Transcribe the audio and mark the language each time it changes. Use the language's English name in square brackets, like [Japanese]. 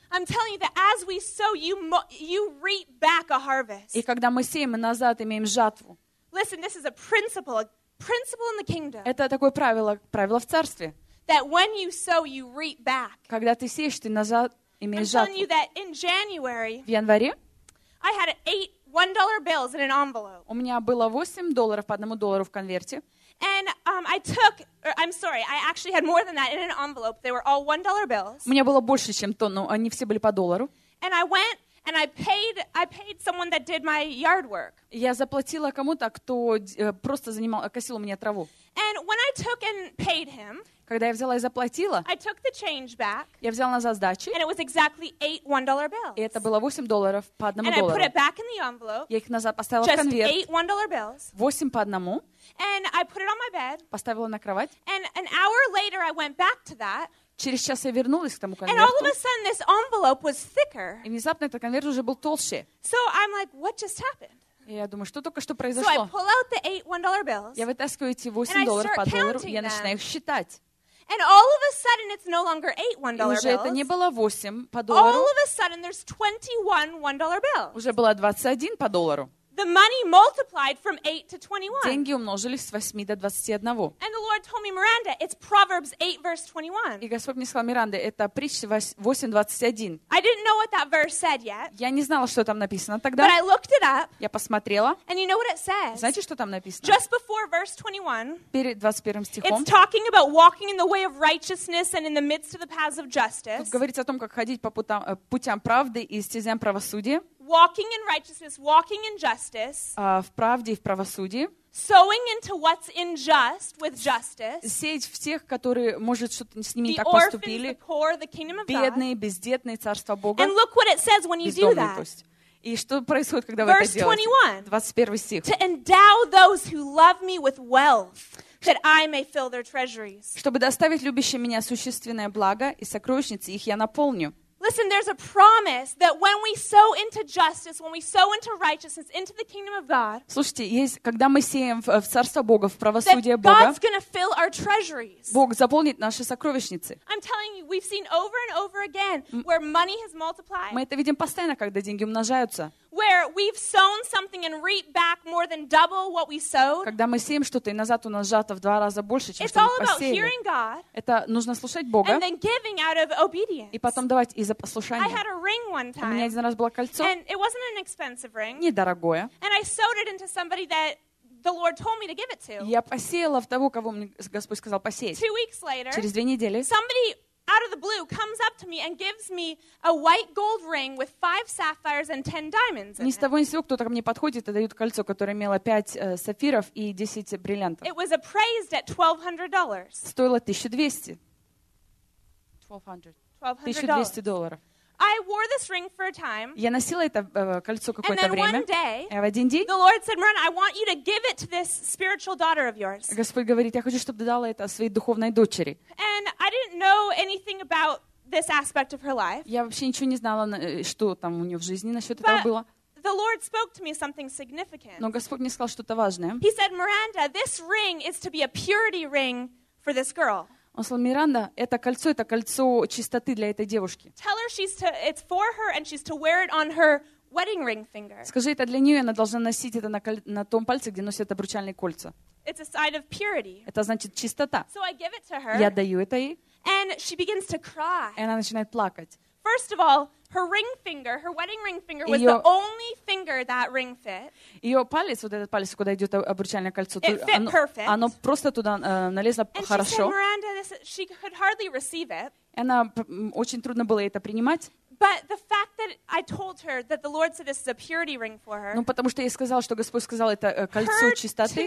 [English] I'm telling you that as we sow, you reap back a harvest. [Russian] И когда мы сеем, мы назад имеем жатву. [English] Listen, this is a principle in the kingdom. [Russian] Это такое правило в царстве. [English] That when you sow, you reap back. [Russian] Когда ты сеешь, ты назад имеешь жатву. [English] I'm telling you that in January, [Russian] в январе, [English] I had $8 bills in an envelope. [Russian] У меня было $8 по $1 в конверте. [English] And I actually had more than that in an envelope. They were all $1 bills. [Russian] У меня было больше, чем то, но они все были по доллару. [English] And I went and I paid someone that did my yard work. [Russian] Я заплатила кому-то, кто просто косил у меня траву. [English] And when I took and paid him, [Russian] когда я взяла и заплатила, [English] I took the change back. [Russian] Я взяла назад сдачи. [English] And it was exactly $8 one-dollar bills. [Russian] И это было $8 по одному [English] and [Russian] доллару. [English] And I put it back in the envelope. [Russian] Я их назад поставила в конверт. [English] Just $8 one-dollar bills. [Russian] 8 по одному. [English] And I put it on my bed. [Russian] Поставила на кровать. [English] And an hour later, I went back to that. [Russian] Через час я вернулась к тому конверту. [English] And all of a sudden, this envelope was thicker. [Russian] И внезапно этот конверт уже был толще. [English] So I'm like, what just happened? [Russian] И я думаю, что только что произошло? [English] So I pull out the $8 one-dollar bills. [Russian] Я вытаскиваю эти $8 по доллару, и я начинаю их считать. [English] And all of a sudden, it's no longer $8 one-dollar bills. [Russian] Уже это не было 8 по доллару. [English] All of a sudden, there's $21 one-dollar bills. [Russian] Уже было 21 по доллару. [English] The money multiplied from 8 to 21. [Russian] Деньги умножились с 8 до 21. [English] And the Lord told me, Miranda, it's Proverbs 8, verse 21. [Russian] И Господь мне сказал, Миранда, это притча 8:21. [English] I didn't know what that verse said yet. [Russian] Я не знала, что там написано тогда. [English] But I looked it up. [Russian] Я посмотрела. [English] And you know what it says? [Russian] Знаете, что там написано? [English] Just before verse 21. [Russian] Перед 21 стихом. [English] It's talking about walking in the way of righteousness and in the midst of the paths of justice. [Russian] Тут говорится о том, как ходить по путям правды и стезям правосудия. [English] Walking in righteousness, walking in justice. [Russian] В правде и в правосудии. [English] Sowing into what's unjust with justice. [Russian] Сеять в тех, которые, может, что-то с ними [English] the [Russian] так поступили. [English] The poor, the kingdom of [Russian] бедные, [English] God. [Russian] Бездетные, царство Бога. [English] And look what it says when you [Russian] бездомные, [English] do that. [Russian] Пусть. И что происходит, когда вы это делаете? [English] Verse 21. [Russian] 21 стих. [English] To endow those who love me with wealth, that I may fill their treasuries. [Russian] Чтобы доставить любящим меня существенное благо и сокровищницы, их я наполню. [English] Listen, there's a promise that when we sow into justice, when we sow into righteousness, into the kingdom of God. [Russian] Слушайте, есть, когда мы сеем в царство Бога, в правосудие Бога. [English] God's going to fill our treasuries. [Russian] Бог заполнит наши сокровищницы. [English] I'm telling you, we've seen over and over again where money has multiplied. [Russian] Мы это видим постоянно, когда деньги умножаются. [English] Where we've sown something and reap back more than double what we sowed. [Russian] Когда мы сеем что-то, и назад у нас жатва в два раза больше, чем что мы посеяли. [English] It's all about hearing God. [Russian] Это нужно слушать Бога. [English] And then giving out of obedience. [Russian] И потом давать из-за послушания. [English] I had a ring one time. [Russian] У меня один раз было кольцо. [English] And it wasn't an expensive ring. [Russian] Недорогое. [English] And I sowed it into somebody that the Lord told me to give it to. [Russian] Я посеяла в того, кого мне Господь сказал посеять. [English] 2 weeks later. [Russian] Через 2 недели. [English] Somebody out of the blue comes up to me and gives me a white gold ring with 5 sapphires and 10 diamonds. [Russian] Ни с того ни с сего кто-то ко мне подходит и дает кольцо, которое имело 5 сапфиров и 10 бриллиантов. [English] It was appraised at $1,200. [Russian] Стоило 1200. [English] $1,200. [Russian] $1,200. [English] I wore this ring for a time. [Russian] Я носила это кольцо какое-то время. [English] And then one day, [Russian] в один день, [English] the Lord said, "Miranda, I want you to give it to this spiritual daughter of yours." [Russian] Господь говорит, я хочу, чтобы ты дала это своей духовной дочери. [English] And I didn't know anything about this aspect of her life. [Russian] Я вообще ничего не знала, что там у нее в жизни насчет этого было. [English] The Lord spoke to me something significant. [Russian] Но Господь мне сказал что-то важное. [English] He said, "Miranda, this ring is to be a purity ring for this girl." [Russian] Он сказал, Миранда, это кольцо чистоты для этой девушки. [English] Tell her she's to, it's for her and she's to wear it on her wedding ring finger. [Russian] Скажи, это для нее, она должна носить это на том пальце, где носят обручальные кольца. [English] It's a sign of purity. [Russian] Это значит чистота. [English] So I give it to her. [Russian] Я даю это ей. [English] And she begins to cry. [Russian] И она начинает плакать. [English] First of all, her ring finger, her wedding ring finger was the only finger that ring fit. [Russian] Ее палец, вот этот палец, куда идет обручальное кольцо, [English] it fit perfect. [Russian] Оно просто туда налезло хорошо. [English] And she said, Miranda, she could hardly receive it. [Russian] Она очень трудно было это принимать. [English] But the fact that I told her that the Lord said this is a purity ring for her. [Russian] Ну потому что я сказал, что Господь сказал это кольцо чистоты.